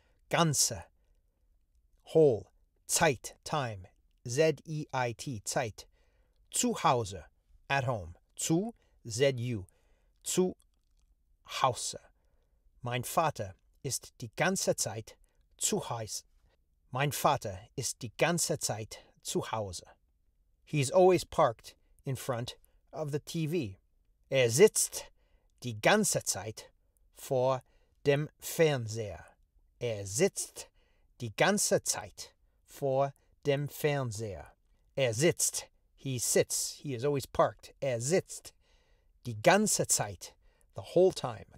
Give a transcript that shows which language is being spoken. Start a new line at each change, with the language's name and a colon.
German: Ganze, whole, Zeit, time, Z-E-I-T, Zeit. Zu Hause,
English: at home,
German: zu, Z-U, zu Hause. Mein Vater ist die ganze Zeit zu Hause. Mein Vater ist die ganze Zeit zu Hause.
English: He's always parked in front of the TV.
German: Er sitzt die ganze Zeit vor dem Fernseher. Er sitzt die ganze Zeit vor dem Fernseher. Er sitzt,
English: he sits, he is always parked.
German: Er sitzt die ganze Zeit,
English: the whole time.